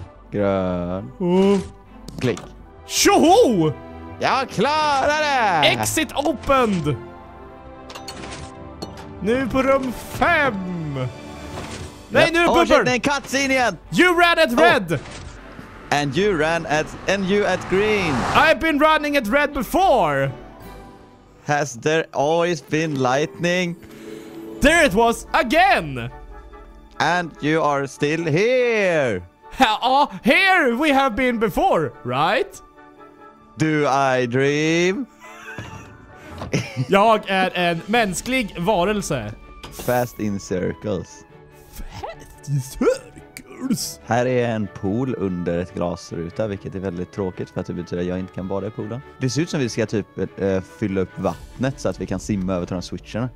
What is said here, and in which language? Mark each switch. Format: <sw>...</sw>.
<sv>Grön. Oh. Klick. Tjoho! Jag klarar det!</sv> <en>Exit opened!</en> <sv>Nu på rum 5! Nej, yep. Nu är det bubbel! Åh, det är en cutscene igen!</sv> <en>You ran at red! And you ran at... And you at green! I've been running at red before! Has there always been lightning? There it was again! And you are still here! Here we have been before, right? Do I dream?</en> <sv>Jag är en mänsklig varelse.</sv> <en>Fast in circles. Circles.</en> <sv>Här är en pool under ett glasruta, vilket är väldigt tråkigt för att det betyder att jag inte kan bada i poolen. Det ser ut som att vi ska typ fylla upp vattnet så att vi kan simma över till de här switcherna.</sv>